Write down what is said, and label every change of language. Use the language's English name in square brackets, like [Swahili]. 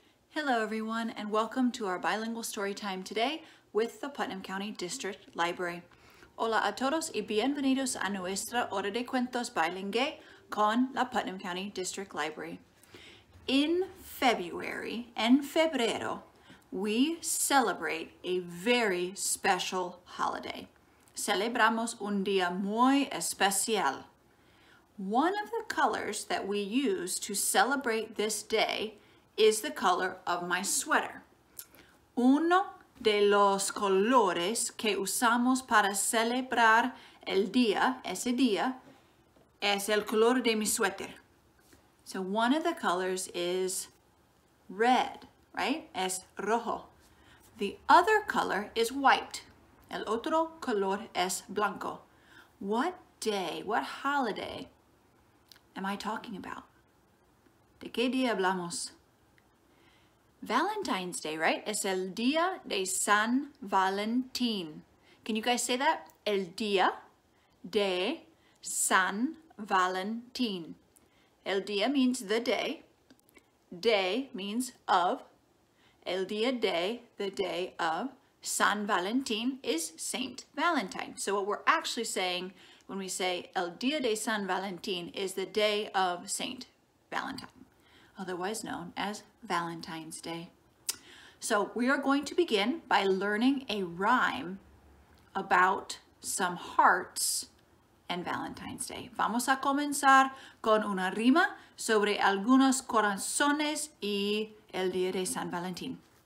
[English] Hello everyone, and welcome to our bilingual story time today with the Putnam County District Library. [Spanish] Hola a todos y bienvenidos a nuestra hora de cuentos bilingue con la Putnam County District Library. [English] In February, [Spanish] en febrero, [English] we celebrate a very special holiday. [Spanish] Celebramos un día muy especial. [English] One of the colors that we use to celebrate this day is the color of my sweater. [Spanish] Uno de los colores que usamos para celebrar el día, ese día, es el color de mi suéter. [English] So one of the colors is red, right? [Spanish] Es rojo. [English] The other color is white. [Spanish] El otro color es blanco. [English] What day, what holiday am I talking about? [Spanish] ¿De qué día hablamos? [English] Valentine's Day, right? [Spanish] Es el día de San Valentín. [English] Can you guys say that? [Spanish] El día de San Valentín. [English] El día means the day. Day means of. El día de, the day of. San Valentín is Saint Valentine. So what we're actually saying when we say el día de San Valentín is the day of Saint Valentine, otherwise known as Valentine's Day. So we are going to begin by learning a rhyme about some hearts and Valentine's Day. [Spanish] Vamos a comenzar con una rima sobre algunos corazones y el día de San Valentín.